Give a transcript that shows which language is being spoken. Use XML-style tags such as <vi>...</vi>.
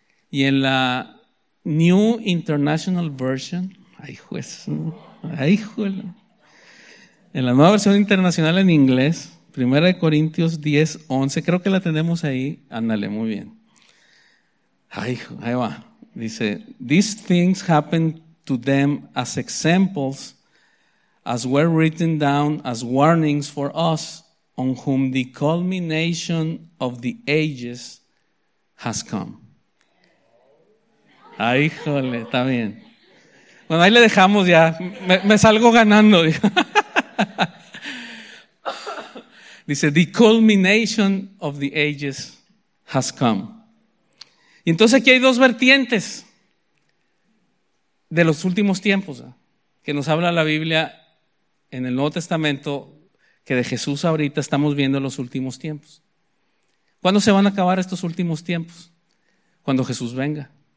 <es>Y en la New International Version, ay juez, ay juez, en la nueva versión internacional en inglés, 1 Corintios 10, 11, creo que la tenemos ahí, ándale, muy bien. Ay, ahí va, dice,</es> <en>these things happen to them as examples, as were written down as warnings for us, on whom the culmination of the ages has come.</en> <es>Ay, híjole, está bien. Bueno, ahí le dejamos ya. Me salgo ganando. Dice,</es> <en>the culmination of the ages has come.</en> <es>Y entonces aquí hay dos vertientes de los últimos tiempos, ¿eh?, que nos habla la Biblia en el Nuevo Testamento, que de Jesús ahorita estamos viendo los últimos tiempos. ¿Cuándo se van a acabar estos últimos tiempos? Cuando Jesús venga.</es>